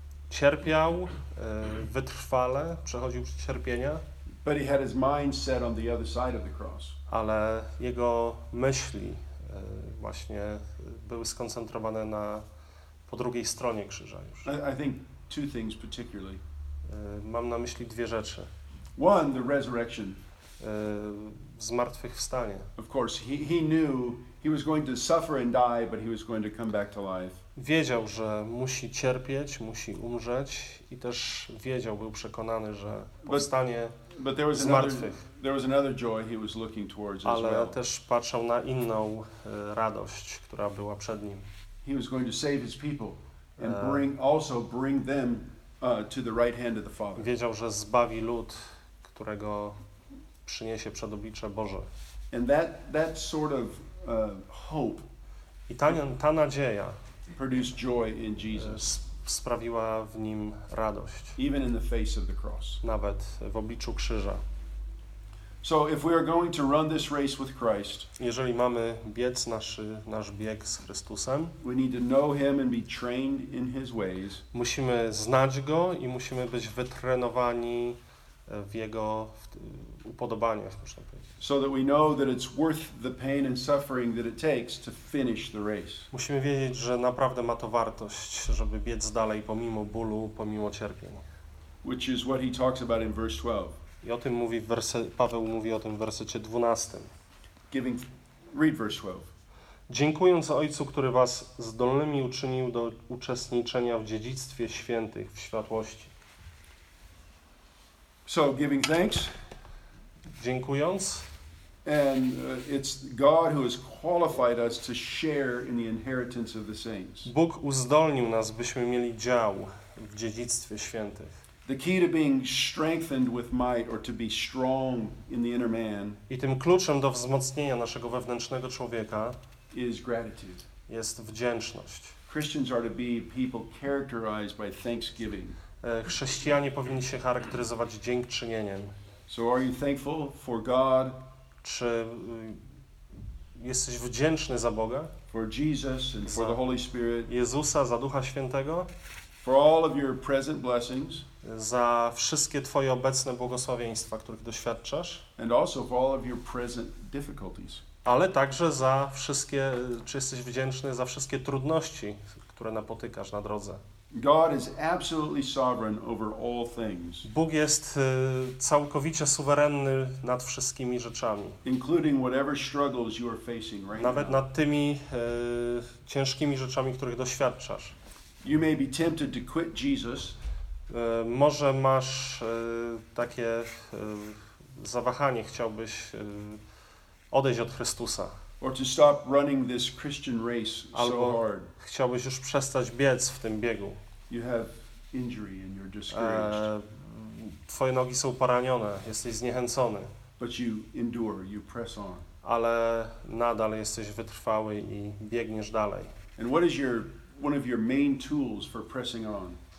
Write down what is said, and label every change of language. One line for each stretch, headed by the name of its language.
Polish: Cierpiał wytrwale, przechodził przez cierpienia.
English: But he had his mind set on the other side of the cross.
Polish: Ale jego myśli właśnie były skoncentrowane na po drugiej stronie krzyża już.
English: I think two things particularly.
Polish: Mam na myśli dwie rzeczy.
English: One, the resurrection.
Polish: Zmartwychwstanie.
English: Of course, he knew he was going to suffer and die, but he was going to come back to life.
Polish: Wiedział, że musi cierpieć, musi umrzeć i też wiedział, był przekonany, że powstanie zmartwych.
English: There was another joy he was looking towards as well.
Polish: Ale też patrzał na inną radość, która była przed nim.
English: He was going to save his people and bring them to the right hand of the Father.
Polish: Wiedział, że zbawi lud, którego przyniesie przed oblicze Boże.
English: And that sort of hope.
Polish: I ta nadzieja
English: produced joy in Jesus.
Polish: Sprawiła w nim radość.
English: Even in the face of the cross.
Polish: Nawet w obliczu krzyża.
English: So if we are going to run this race with Christ,
Polish: jeżeli mamy biec nasz bieg z Chrystusem,
English: we need to know him and be trained in his ways.
Polish: Musimy znać go i musimy być wytrenowani w jego upodobaniach, można powiedzieć.
English: So that we know that it's worth the pain and suffering that it takes to finish the race.
Polish: Musimy wiedzieć, że naprawdę ma to wartość, żeby biec dalej pomimo bólu, pomimo cierpień.
English: Which is what he talks about in verse 12.
Polish: I o tym mówi Paweł mówi o tym w wersecie 12.
English: Read verse 12.
Polish: Dziękując Ojcu, który was zdolnymi uczynił do uczestniczenia w dziedzictwie świętych w światłości.
English: So giving thanks.
Polish: Dziękując.
English: And it's God who has qualified us to share in the inheritance of the saints.
Polish: Bóg uzdolnił nas, byśmy mieli dział w dziedzictwie świętych.
English: The key to being strengthened with might or to be strong in the inner man.
Polish: I tym kluczem do wzmocnienia naszego wewnętrznego człowieka
English: is gratitude.
Polish: Jest wdzięczność.
English: Christians are to be people characterized by thanksgiving.
Polish: Chrześcijanie powinni się charakteryzować dziękczynieniem.
English: So are you thankful for God?
Polish: Czy jesteś wdzięczny za Boga?
English: For Jesus and for the Holy Spirit.
Polish: Jezusa, za Ducha Świętego?
English: For all of your present blessings.
Polish: Za wszystkie twoje obecne błogosławieństwa, których doświadczasz?
English: And also for all of your present difficulties.
Polish: Ale także za wszystkie, czy jesteś wdzięczny za wszystkie trudności, które napotykasz na drodze?
English: God is absolutely sovereign over all things.
Polish: Bóg jest całkowicie suwerenny nad wszystkimi rzeczami.
English: Including whatever struggles you are facing right now.
Polish: Nawet nad tymi ciężkimi rzeczami, których doświadczasz.
English: You may be tempted to quit Jesus.
Polish: Może masz takie zawahanie, chciałbyś odejść od Chrystusa.
English: Or to stop running this Christian race so hard.
Polish: Chciałbyś już przestać biec w tym biegu.
English: You have injury and you're discouraged.
Polish: Twoje nogi są poranione, jesteś zniechęcony.
English: But you endure, you press on.
Polish: Ale nadal jesteś wytrwały i biegniesz dalej.
English: And what is your one of your main tools for pressing on?